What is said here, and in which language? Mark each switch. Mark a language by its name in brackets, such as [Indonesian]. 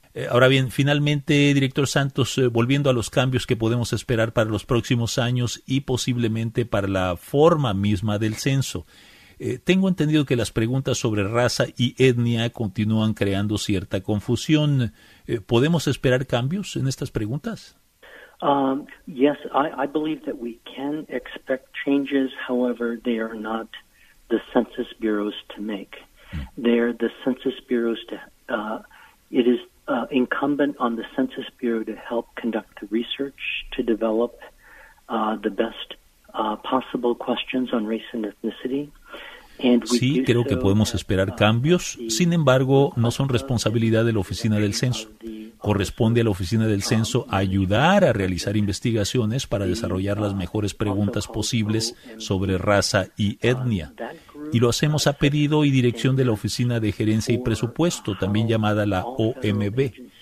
[Spanish] Ahora bien, finalmente, director Santos, volviendo a los cambios que podemos esperar para los próximos años y posiblemente para la forma misma del censo. Tengo entendido que las preguntas sobre raza y etnia continúan creando cierta confusión. ¿Podemos esperar cambios en estas preguntas? [English] Yes, I believe that we can expect changes. However, they are not the Census Bureau's to make. They're the Census Bureau's to. It is incumbent on the Census Bureau to help conduct the research to develop the best possible questions on race and ethnicity. [Spanish] Sí, creo que podemos esperar cambios. Sin embargo, no son responsabilidad de la Oficina del Censo. Corresponde a la Oficina del Censo ayudar a realizar investigaciones para desarrollar las mejores preguntas posibles sobre raza y etnia. Y lo hacemos a pedido y dirección de la Oficina de Gerencia y Presupuesto, también llamada la OMB.